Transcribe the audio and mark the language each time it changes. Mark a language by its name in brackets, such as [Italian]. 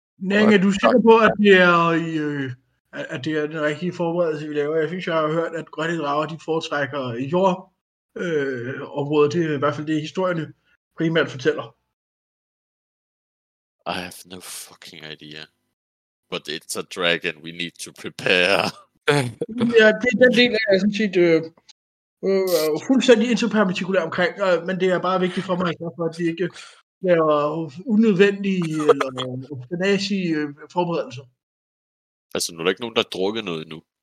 [Danish] Næng, er du sikker på, at det er i... at det er den rigtige forberedelse, vi laver. Jeg synes, jeg har hørt, at grønne drager, de foretrækker jord, området. Det er i hvert fald det, historierne primært fortæller. [English] I have no fucking idea. But it's a dragon, we need to prepare. [Danish] Ja, det er den del, jeg synes, at fuldstændig interpermatikulær omkring, men det er bare vigtigt for mig, for at vi ikke laver unødvendige eller fanatiske forberedelser. Altså, nu er der ikke nogen, der drukker noget endnu.